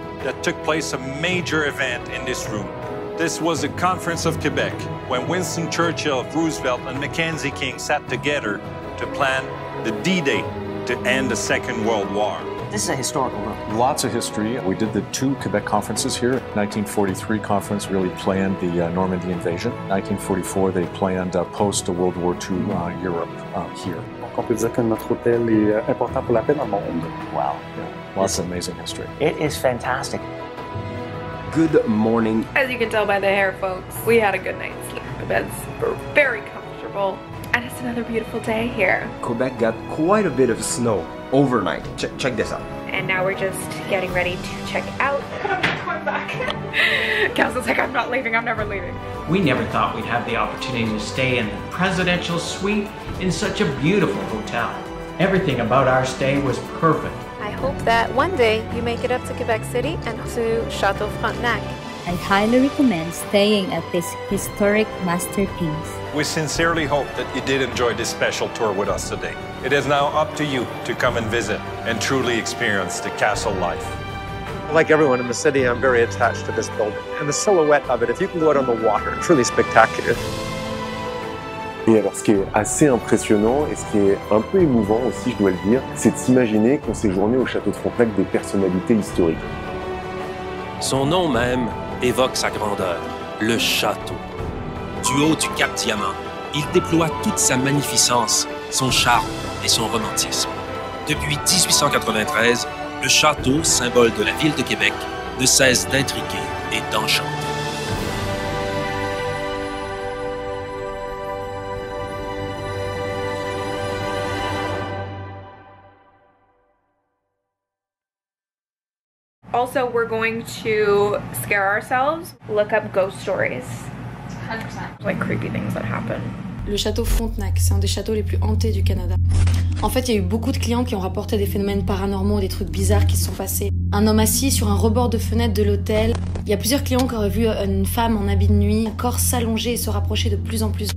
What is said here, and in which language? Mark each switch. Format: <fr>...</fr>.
<en>that took place a major event in this room. This was the Conference of Quebec, when Winston Churchill, Roosevelt, and Mackenzie King sat together to plan the D-Day to end the Second World War. This is a historical room. Lots of history. We did the two Quebec conferences here. 1943 conference really planned the Normandy invasion. 1944, they planned post-World War II Europe here.</en> <fr>On peut dire que notre hôtel est important pour la paix dans le monde.</fr> <en>Wow. Lots of amazing history. It is fantastic. Good morning. As you can tell by the hair, folks, we had a good night's sleep. The beds were very comfortable. And it's another beautiful day here. Quebec got quite a bit of snow overnight. Check this out. And now we're just getting ready to check out. I'm not going back. Council's like, I'm not leaving. I'm never leaving. We never thought we'd have the opportunity to stay in the presidential suite in such a beautiful hotel. Everything about our stay was perfect. I hope that one day you make it up to Quebec City and to Château Frontenac. I highly recommend staying at this historic masterpiece. We sincerely hope that you did enjoy this special tour with us today. It is now up to you to come and visit and truly experience the castle life. Like everyone in the city, I'm very attached to this building. And the silhouette of it, if you can go out on the water, it's really spectacular.</en> <fr>Et alors, ce qui est assez impressionnant et ce qui est un peu émouvant aussi, je dois le dire, c'est de s'imaginer qu'on séjournait au château de Frontenac des personnalités historiques. Son nom même évoque sa grandeur, le château. Du haut du Cap Diamant, il déploie toute sa magnificence, son charme et son romantisme. Depuis 1893, le château, symbole de la ville de Québec, ne cesse d'intriguer et d'enchanter.</fr> <en>Also, we're going to scare ourselves, look up ghost stories. 100%. Like creepy things that happen.</en> <fr>Le château Frontenac, c'est un des châteaux les plus hantés du Canada. En fait, il y a eu beaucoup de clients qui ont rapporté des phénomènes paranormaux, des trucs bizarres qui se sont passés. Un homme assis sur un rebord de fenêtre de l'hôtel. Il y a plusieurs clients qui auraient vu une femme en habit de nuit, un corps s'allonger et se rapprocher de plus en plus.</fr>